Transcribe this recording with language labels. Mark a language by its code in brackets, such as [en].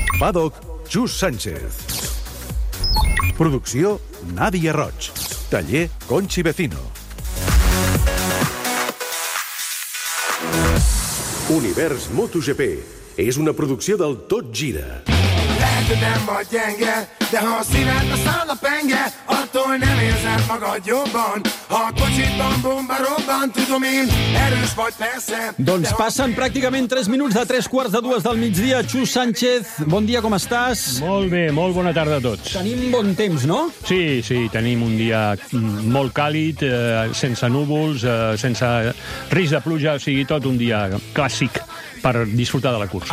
[ca] Paddock, Xus Sánchez. Producció, Nadia Roig. Taller, Conchi Vecino. Univers MotoGP és una producció del Tot Gira. [hu] Nem vagy gyenge, de ha a szíved a száll a penge, attól nem érzed magad jobban. Ha a kocsitban bomba robban, tudom én, erős vagy persze. [ca] Doncs passen pràcticament 3 minuts de 3 quarts de 2 del migdia. Xus Sánchez, bon dia, com estàs? Molt bé, molt bona tarda a tots. Tenim bon temps, no? Sí, sí, tenim un dia molt càlid, sense núvols, sense risc de pluja, o sigui, tot un dia clàssic per disfrutar de la cursa.